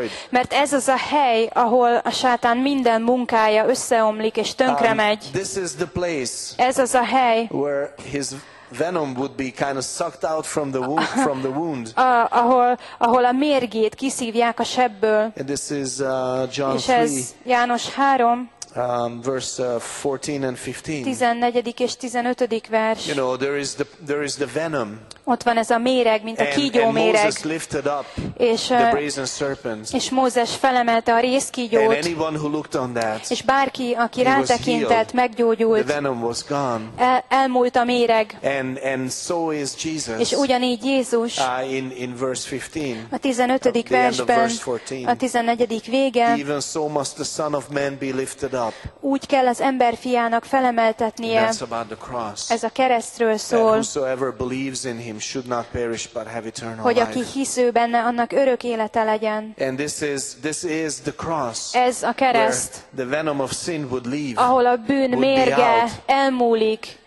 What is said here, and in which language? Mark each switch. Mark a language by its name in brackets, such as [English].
[Hungarian] Mert ez az a hely, ahol a sátán minden munkája összeomlik és tönkre megy. Ez az a hely, [English] where his venom would be kind of sucked out from the wound. [Hungarian] Ahol a mérgét kiszívják a sebből. [English] And this is John [Hungarian] 3. És ez János 3. [English] Verse 14 and 15. [Hungarian] 14. és 15. vers. [English] You know, there is the venom. [Hungarian] Ott van ez a méreg, mint a kígyó méreg. [English] And Moses lifted up the brazen serpent. [Hungarian] És Mózes felemelte a részkígyót. [English] And anyone who looked on that, [Hungarian] és bárki, aki rátekintett, meggyógyult. [English] The venom was gone. [Hungarian] Elmúlt a méreg. [English] And so is Jesus. [Hungarian] És ugyanígy Jézus. [English] In verse 15. [Hungarian] A 15. versben. A 14. vége. [English] Even so must the Son of Man be lifted up. [Hungarian] Úgy kell az ember fiának felemeltetnie. [English] That's about the cross. [Hungarian] Ez a keresztről szól. [English] That whosoever believes in him should not perish but have eternal life. [Hungarian] Hogy aki hisz ő benne, annak örök élete legyen. [English] And this is the cross. [Hungarian] Ez a kereszt. [English] The venom of sin would leave. [Hungarian] Ahol a bűn mérge elmúlik.